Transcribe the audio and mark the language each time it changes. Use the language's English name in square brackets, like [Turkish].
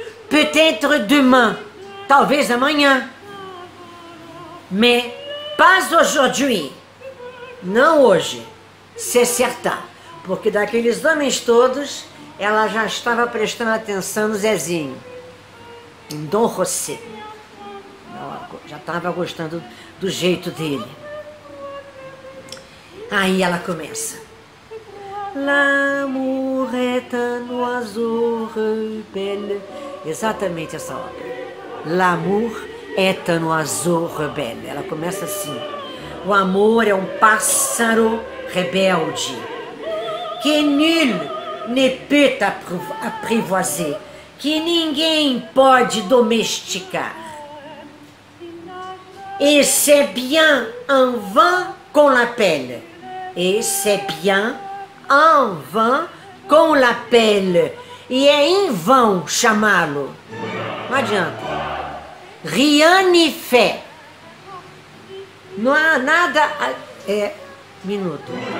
[French] Peut-être demain. [Portuguese] Talvez amanhã. [French] Mais pas aujourd'hui. [Portuguese] Não hoje. [French] C'est certain. [Portuguese] Porque daqueles homens todos, ela já estava prestando atenção no Zezinho. Em Dom José. Já estava gostando do jeito dele. Aí ela começa. [French] L'amour est un oiseau rebelle. [Portuguese] Exatamente essa ópera. [French] L'amour est un oiseau rebelle. [Portuguese] Ela começa assim. O amor é um pássaro rebelde. [French] Que nul ne peut apprivoiser. [Portuguese] Que ninguém pode domesticar. [French] Et c'est bien en vain qu'on l'appelle. Et c'est bien en vain qu'on l'appelle. [Portuguese] E é em vão chamá-lo. Não adianta. [French] Rien n'y fait. [Portuguese] Não há nada a... Minuto.